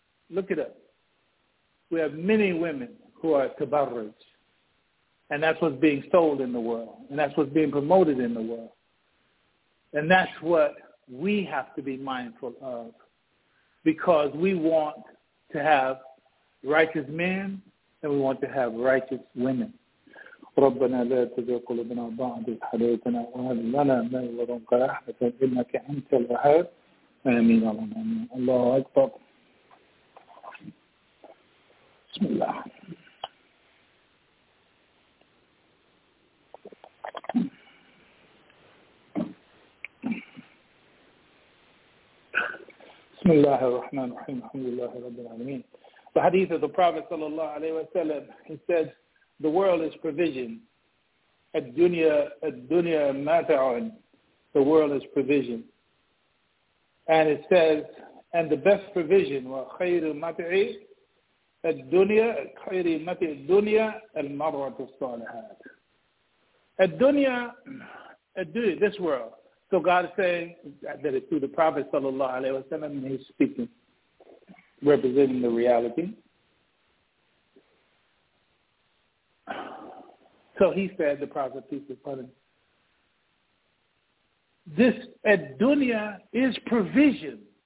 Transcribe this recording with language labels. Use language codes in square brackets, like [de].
[en] Look it up. We have many women who are tabarruj, and that's what's being sold in the world, and that's what's being promoted in the world. And that's what we have to be mindful of, because we want to have righteous men and we want to have righteous women. [ar] ربنا لا تزغ قلوبنا بعد إذ هديتنا وهب لنا من لدنك رحمة إنك أنت الوهاب آمين اللهم آمين. الله أكبر. بسم الله. بسم الله الرحمن الرحيم. الحمد لله رب العالمين. [en] The hadith of the Prophet [ar] صلى الله عليه وسلم, [en] he said, the world is provision. [ar] الدنيا ماتعون. [en] The world is provision. And it says, and the best provision, [ar] وخير ماتعي الدنيا خير ماتعي الدنيا المرأة الصالحات. [en] الدنيا, this world. So God is saying that it's through the Prophet [ar] صلى الله عليه وسلم, [en] and he's speaking, representing the reality. So he said, the Prophet, peace be upon him, this ad-dunya is provision.